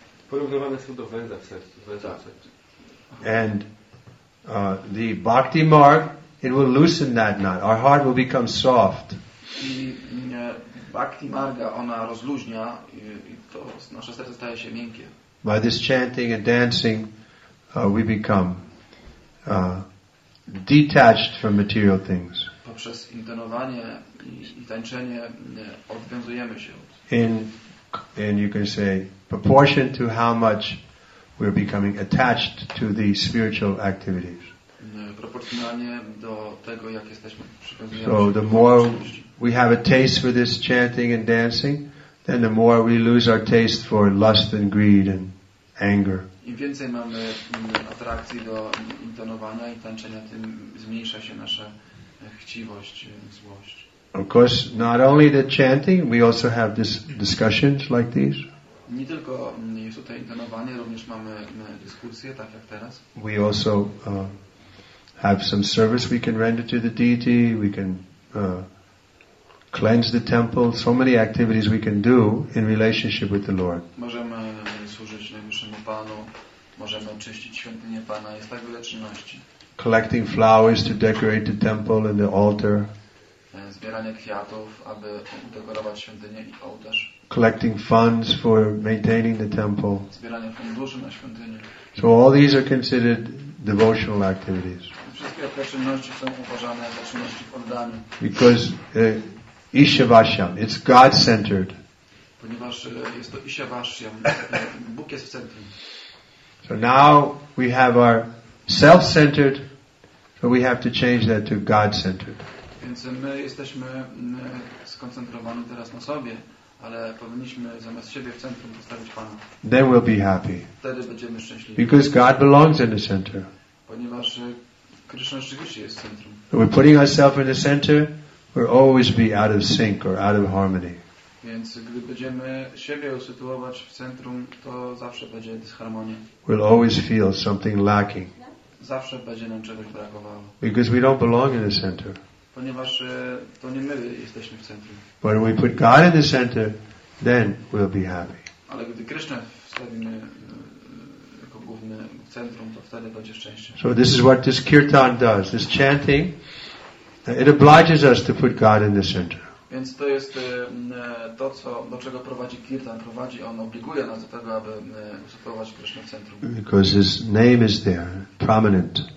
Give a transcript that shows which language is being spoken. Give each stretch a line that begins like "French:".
Polish: Porównywane są do węzła w sercu.
English: And the bhakti mark, it will loosen that knot. Our heart will become soft.
Polish: I bhakti marga, ona rozluźnia i to nasze serce staje się miękkie.
English: By this chanting and dancing, we become detached from material things.
Polish: Poprzez intonowanie i tańczenie odwiązujemy się.
English: And you can say proportion to how much we're becoming attached to the spiritual activities.
Polish: Proporcjonalnie do tego, jak jesteśmy przywiązani.
English: So the more we have a taste for this chanting and dancing, then the more we lose our taste for lust and greed and anger.
Polish: Im więcej mamy atrakcji do intonowania i tańczenia, tym zmniejsza się nasza chciwość, złość.
English: Of course, not only the chanting, we also have this discussions like these.
Polish: Nie tylko jest tutaj intonowanie, również mamy dyskusje, tak jak teraz.
English: We also have some service we can render to the deity. We can cleanse the temple. So many activities we can do in relationship with the Lord.
Polish: Możemy służyć najwyższemu Panu, możemy oczyścić świątynię Pana. Jest tak wiele czynności.
English: Collecting flowers to decorate the temple and the altar.
Polish: Zbieranie kwiatów, aby udekorować świątynię i ołtarz.
English: Collecting funds for maintaining the temple.
Polish: Zbieranie funduszy na świątynię.
English: So all these are considered devotional activities.
Polish: Wszystkie te czynności są uważane za czynności w oddaniu.
English: Because Ishavasyam, it's God-centered.
Polish: Ponieważ jest to Ishavasyam, Bóg jest w centrum.
English: So now we have our self-centered, so we have to change that to God-centered.
Polish: Więc my jesteśmy skoncentrowani teraz na sobie, ale powinniśmy zamiast siebie w centrum postawić Pana.
English: Then we'll be happy.
Polish: Wtedy będziemy szczęśliwi.
English: Because God belongs in the center.
Polish: Ponieważ Krishna rzeczywiście jest w centrum.
English: We're putting ourselves in the center, we'll always be out of sync or out of harmony.
Polish: Więc gdy będziemy siebie usytuować w centrum, to zawsze będzie dysharmonia.
English: We'll always feel something lacking.
Polish: Zawsze będzie nam czegoś brakowało.
English: Because we don't belong in the center.
Polish: Ponieważ to nie my jesteśmy w centrum.
English: But when we put God in the center, then we'll be happy.
Polish: Ale gdy Krishna wstawimy jako główny w centrum, to wtedy będzie szczęście.
English: So this is what this kirtan does, this chanting. It obliges us to put God in the center.
Polish: Więc to jest to, co do czego prowadzi kirtan. Prowadzi on, obliguje nas do tego, aby usytuować Krishna w centrum.
English: Because his name is there, prominent.